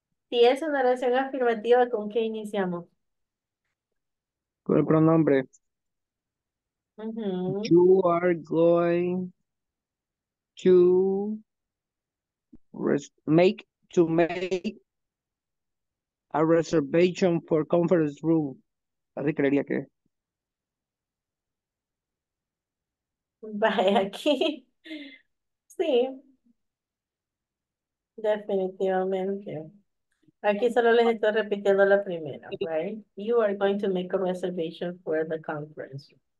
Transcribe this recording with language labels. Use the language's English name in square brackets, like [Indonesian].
[Spanish] Si es una oración afirmativa, ¿con qué iniciamos? Con el pronombre. [English] You are going to make a reservation for conference room. [Spanish] Así creería que... Vaya aquí. Sí. Definitivamente. Aquí solo les estoy repitiendo la primera, [English] right? You are going to make a reservation for the conference.